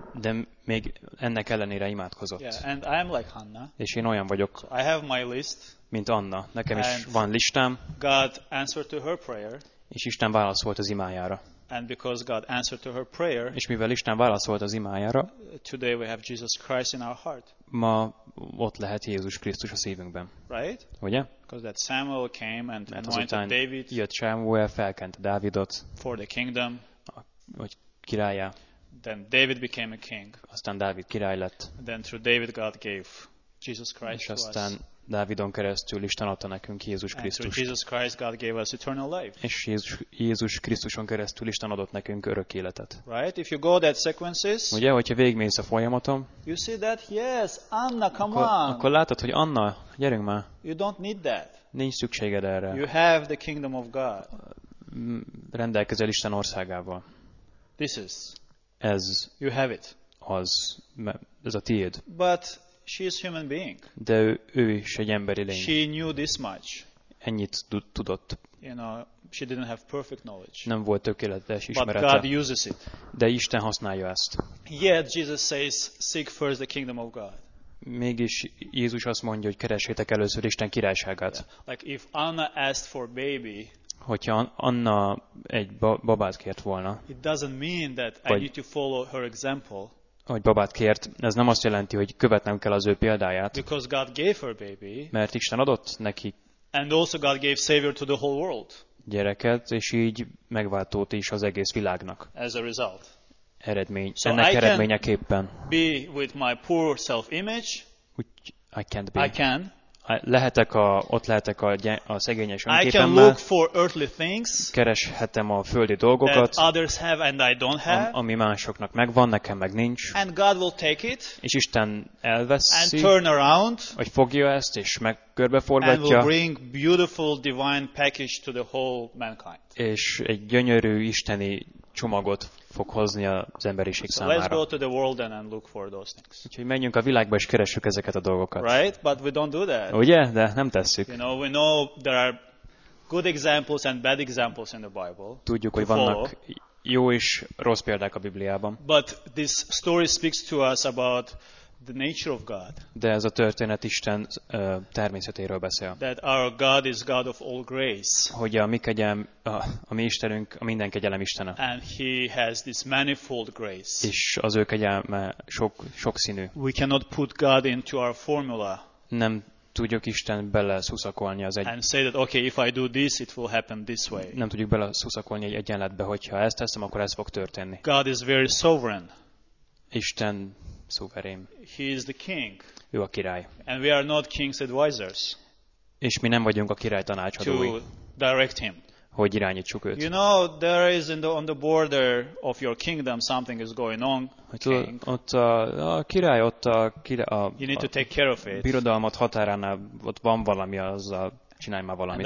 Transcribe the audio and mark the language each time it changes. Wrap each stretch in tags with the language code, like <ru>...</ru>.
<hu>De még ennek ellenére imádkozott.</hu> <en>Yeah, and I am like Hanna.</en> <hu>És én olyan vagyok.</hu> <en>So I have my list.</en> <hu>Mint Anna, nekem is van listám.</hu> <en>God answered to her prayer.</en> <hu>És Isten válaszolt az imájára.</hu> <en>And because God answered to her prayer.</en> <hu>És mivel Isten válaszolt az imájára.</hu> <en>Today we have Jesus Christ in our heart.</en> <hu>Ma ott lehet Jézus Krisztus a szívünkben.</hu> <en>Right?</en> <hu>Ugye?</hu> <en>Because that Samuel came and anointed David.</en> <hu>Jött Samuel, felkent Dávidot.</hu> <en>For the kingdom.</en> <hu>Hogy királyá.</hu> <en>Then David became a king.</en> <hu>Aztán Dávid király lett.</hu> <en>And then through David God gave Jesus Christ to us.</en> <hu>És aztán Dávidon keresztül Isten adta nekünk Jézus Krisztust.</hu> <en>And through Jesus Christ God gave us eternal life.</en> <hu>És Jézus Krisztuson keresztül Isten adott nekünk örök életet.</hu> <en>Right? If you go that sequences.</en> <hu>Ugye, hogyha végigmész a folyamaton.</hu> <en>You see that? Yes, Anna, come</en> <hu>akkor,</hu> <en>on.</en> <hu>Akkor látod, hogy Anna, gyerünk már.</hu> <en>You don't need that.</en> <hu>Nincs szükséged erre.</hu> <en>You have the kingdom of God.</en> <hu>Rendelkezel Isten országával.</hu> <en>This is.</en> <hu>Ez.</hu> <en>You have it.</en> <hu>Ez a tiéd.</hu> <en>But she is human being.</en> <hu>De ő is egy emberi lény.</hu> <en>She knew this much.</en> <hu>Ennyit tudott.</hu> <en>You know, she didn't have perfect knowledge.</en> <hu>Nem volt tökéletes ismerete.</hu> <en>But God uses it.</en> <hu>De Isten használja ezt.</hu> <en>Yet Jesus says, seek first the kingdom of God.</en> <hu>Mégis Jézus azt mondja, hogy keressétek először Isten királyságát.</hu> <en>Yeah. Like if Anna asked for baby.</en> <hu>Hogyha Anna egy babát kért volna.</hu> <en>It doesn't mean that I need to follow her example.</en> <hu>Hogy babát kért, ez nem azt jelenti, hogy követnem kell az ő példáját.</hu> <en>Because God gave her baby.</en> <hu>Mert Isten adott neki.</hu> <en>And also God gave savior to the whole world.</en> <hu>Gyereket, és így megváltót is az egész világnak.</hu> <en>As a result.</en> <hu>Eredmény,</hu> <en>so</en> <hu>ennek</hu> <en>I</en> <hu>eredményeképpen.</hu> <en>Can be with my poor self-image. I can't be. I can.</en> <hu>Ott lehetek a szegényes önképemmel.</hu> <en>I can look for earthly things.</en> <hu>Kereshetem a földi dolgokat.</hu> <en>That others have and I don't have.</en> <hu>Ami másoknak megvan, nekem meg nincs.</hu> <en>And God will take it.</en> <hu>És Isten elveszi.</hu> <en>And turn around.</en> <hu>Hogy fogja ezt és megkörbeforgatja.</hu> <en>And will bring beautiful divine package to the whole mankind.</en> <hu>És egy gyönyörű isteni csomagot fog hozni az emberiség számára.</hu> <en>Let's go to the world and look for those things.</en> <hu>Úgyhogy menjünk a világba és keressük ezeket a dolgokat.</hu> <en>Right? But we don't do that.</en> <hu>Ugye? De nem tesszük.</hu> <en>You know, we know there are good examples and bad examples in the Bible.</en> <hu>Tudjuk, hogy vannak jó és rossz példák a Bibliában.</hu> <en>But this story speaks to us about the nature of God.</en> <hu>De ez a történet Isten természetéről beszél.</hu> <en>That our God is God of all grace.</en> <hu>Hogy a mi kegyelem, a mi Istenünk, a minden kegyelem Istene.</hu> <en>And he has this manifold grace.</en> <hu>És az ő kegyelme sok színű.</hu> <en>We cannot put God into our formula.</en> <hu>Nem tudjuk Isten bele szuszakolni az egy.</hu> <en>And say that okay, if I do this, it will happen this way.</en> <hu>Nem tudjuk bele szuszakolni egy egyenletbe, hogyha ezt teszem, akkor ez fog történni.</hu> <en>God is very sovereign.</en> <hu>Isten szuverén.</hu> <en>He is the king.</en> <hu>Ő a király.</hu> <en>And we are not king's advisors.</en> <hu>És mi nem vagyunk a király tanácsadói.</hu> <en>To direct him.</en> <hu>Hogy irányítsuk őt.</hu> <en>You know, there is on the border of your kingdom something is going on.</en> <hu>Ott a király, ott a király.</hu> <en>You need to take care of it.</en> <hu>Birodalmat határánál ott van valami, azzal csinálj már valamit.</hu>